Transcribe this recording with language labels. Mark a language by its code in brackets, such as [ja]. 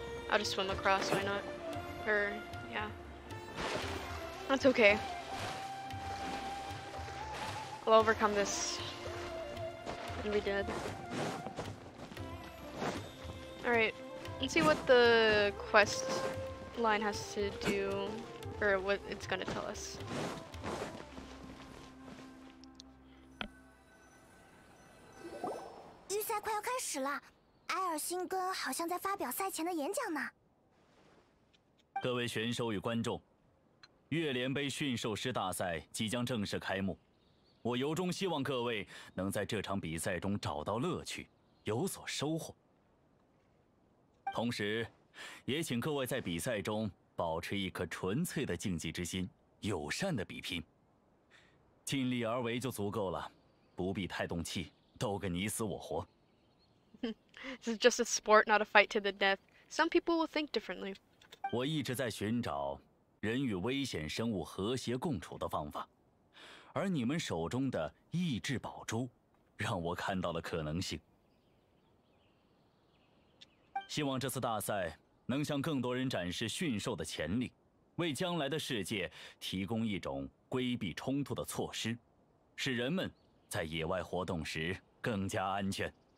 [en] I'll just swim across, why not? Or, yeah. That's okay. I'll overcome this. We did. Alright, let's see what the quest line has to do, or what it's gonna tell us. [zh] 比赛快要开始了，艾尔辛哥好像在发表赛前的演讲呢。各位选手与观众，月联杯驯兽师大赛即将正式开幕。我由衷希望各位能在这场比赛中找到乐趣，有所收获。同时，也请各位在比赛中保持一颗纯粹的竞技之心，友善的比拼，尽力而为就足够了，不必太动气。 [en] This is just a sport, not a fight to the death. Some people will think differently. [zh] 我一直在寻找人与危险生物和谐共处的方法，而你们手中的异质宝珠，让我看到了可能性。希望这次大赛能向更多人展示驯兽的潜力，为将来的世界提供一种规避冲突的措施，使人们在野外活动时更加安全。